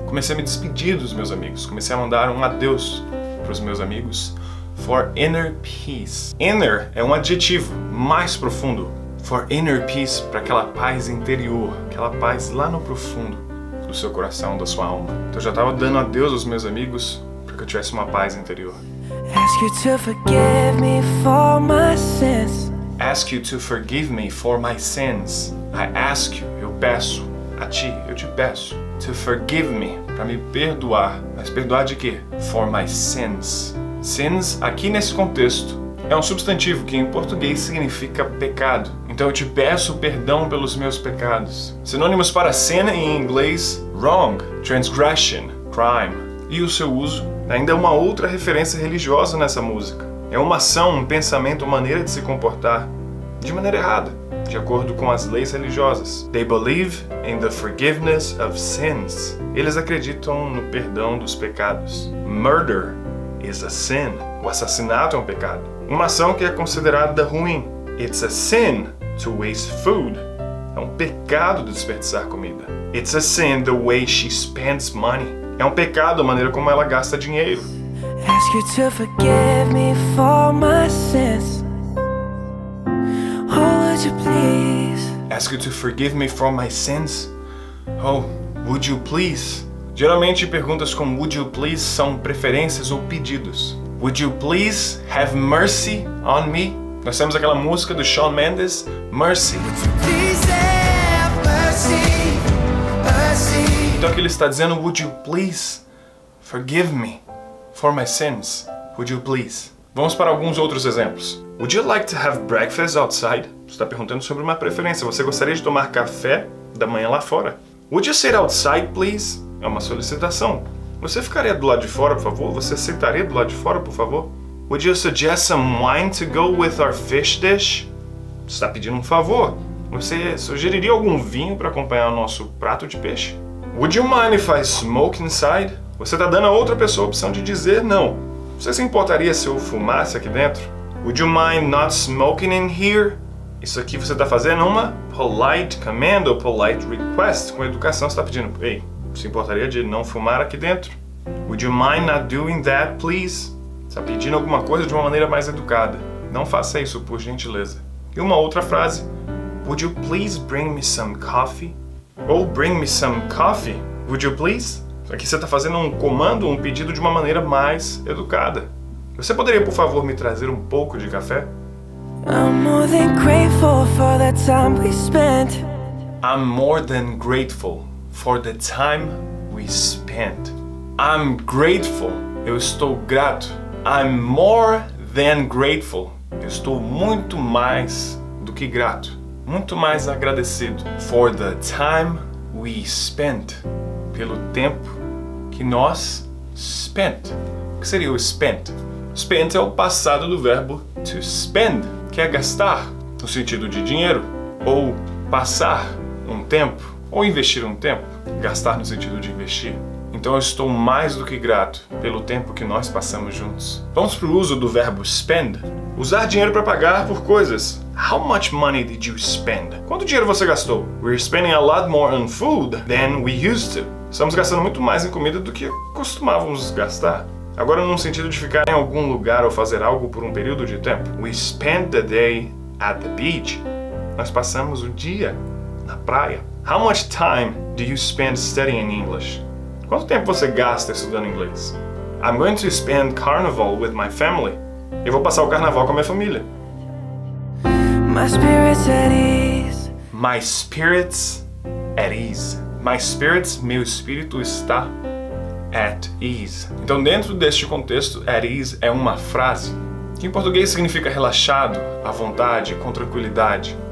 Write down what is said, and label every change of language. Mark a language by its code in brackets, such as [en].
[pt] Comecei a me despedir dos meus amigos. Comecei a mandar um adeus para os meus amigos. [en] For inner peace. [pt] Inner é um adjetivo mais profundo. [en] For inner peace, [pt] para aquela paz interior. Aquela paz lá no profundo do seu coração, da sua alma. Então eu já estava dando adeus aos meus amigos para que eu tivesse uma paz interior. [en] Ask you to forgive me for my sins. Ask you to forgive me for my sins. I ask you, [pt] eu peço a ti, eu te peço. [en] To forgive me, [pt] para me perdoar. Mas perdoar de quê? [en] For my sins. [pt] Sins, aqui nesse contexto, é um substantivo que em português significa pecado. Então eu te peço perdão pelos meus pecados. Sinônimos para sin em inglês, wrong, transgression, crime. E o seu uso ainda é uma outra referência religiosa nessa música. É uma ação, um pensamento, uma maneira de se comportar de maneira errada, de acordo com as leis religiosas. [en] They believe in the forgiveness of sins. [pt] Eles acreditam no perdão dos pecados. [en] Murder is a sin. [pt] O assassinato é um pecado. Uma ação que é considerada ruim. [en] It's a sin to waste food. [pt] É um pecado desperdiçar comida. [en] It's a sin the way she spends money. [pt] É um pecado a maneira como ela gasta dinheiro. [en] Ask you to forgive me for my sins. Oh, would you please? Ask you to forgive me for my sins. Oh, would you please? [pt] Geralmente perguntas como would you please são preferências ou pedidos. [en] Would you please have mercy on me? [pt] Nós temos aquela música do Shawn Mendes, Mercy. Então aqui ele está dizendo [en] would you please forgive me? For my sins, would you please? [pt] Vamos para alguns outros exemplos. [en] Would you like to have breakfast outside? [pt] Você está perguntando sobre uma preferência. Você gostaria de tomar café da manhã lá fora? [en] Would you sit outside, please? [pt] É uma solicitação. Você ficaria do lado de fora, por favor? Você sentaria do lado de fora, por favor? [en] Would you suggest some wine to go with our fish dish? [pt] Você está pedindo um favor. Você sugeriria algum vinho para acompanhar o nosso prato de peixe? [en] Would you mind if I smoke inside? [pt] Você está dando a outra pessoa a opção de dizer não. Você se importaria se eu fumasse aqui dentro? [en] Would you mind not smoking in here? [pt] Isso aqui você está fazendo uma polite command ou polite request. Com educação você está pedindo, ei, se importaria de não fumar aqui dentro? [en] Would you mind not doing that, please? [pt] Você está pedindo alguma coisa de uma maneira mais educada. Não faça isso, por gentileza. E uma outra frase. [en] Would you please bring me some coffee? Ou bring me some coffee, would you please? [pt] Aqui você está fazendo um comando, um pedido de uma maneira mais educada. Você poderia, por favor, me trazer um pouco de café? [en] I'm more than grateful for the time we spent. I'm more than grateful for the time we spent. I'm grateful. [pt] Eu estou grato. [en] I'm more than grateful. [pt] Eu estou muito mais do que grato. Muito mais agradecido. [en] For the time we spent. [pt] Pelo tempo que nós spent. O que seria o spent? Spent é o passado do verbo to spend, que é gastar, no sentido de dinheiro, ou passar um tempo, ou investir um tempo, gastar no sentido de investir. Então eu estou mais do que grato pelo tempo que nós passamos juntos. Vamos para o uso do verbo spend. Usar dinheiro para pagar por coisas. [en] How much money did you spend? [pt] Quanto dinheiro você gastou? [en] We're spending a lot more on food than we used to. [pt] Estamos gastando muito mais em comida do que costumávamos gastar. Agora no sentido de ficar em algum lugar ou fazer algo por um período de tempo. [en] We spent the day at the beach. [pt] Nós passamos o dia na praia. [en] How much time do you spend studying English? [pt] Quanto tempo você gasta estudando inglês? [en] I'm going to spend Carnival with my family. [pt] Eu vou passar o carnaval com a minha família. [en] My spirit's at ease. My spirit's at ease. My spirit's, [pt] meu espírito está [en] at ease. [pt] Então dentro deste contexto, at ease é uma frase que em português significa relaxado, à vontade, com tranquilidade.